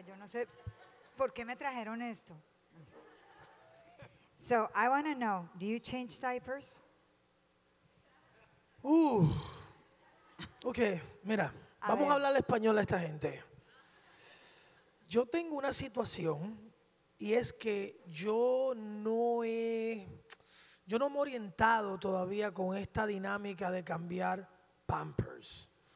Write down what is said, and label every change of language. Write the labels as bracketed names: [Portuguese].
[Spanish] Yo no sé por qué me trajeron esto. [English] So I want to know, do you change diapers? Ooh. [Spanish] Okay, mira, vamos a hablar español a esta gente. Yo tengo una situación y es que yo no me he orientado todavía con esta dinámica de cambiar Pampers.